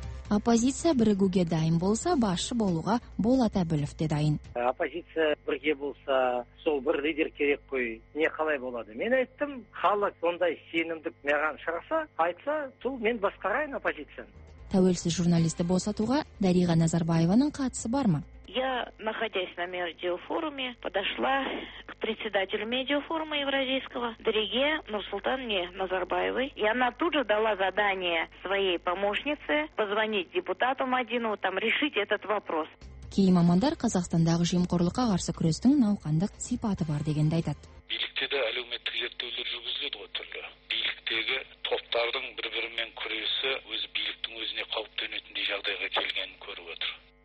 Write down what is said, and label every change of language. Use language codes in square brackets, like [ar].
[kk] Оппозиция бірігуге дайын болса, басшы болуға Болат Әбілов те дайын. Оппозиция бірге болса, сол бір лидер керек қой, не қалай болады? Мен айттым, халық ондай сенімдік маған шығарса, айтса, сол мен басқарайын оппозицияны. Тәуелсіз журналисті босатуға Дариға Назарбаеваның қатысы бар ма? [ru] Я, находясь на медиафоруме, подошла к председателю медиафорума евразийского Дариге Нурсултанне Назарбаевой. И она тут же дала задание своей помощнице позвонить депутату Мадину, там решить этот вопрос. [kk] Кей мамандар Қазақстандағы жемқорлыққа қарсы күрестің науқандық сипаты бар дегенді айтады. Биліктегі әлеуметтік зерттеулер жүргізіледі ғой түрлі. Биліктегі топтардың бір-бірімен күресі өз биліктің өзіне қауіп төнетіндей жағдайға келгенін көріп отыр.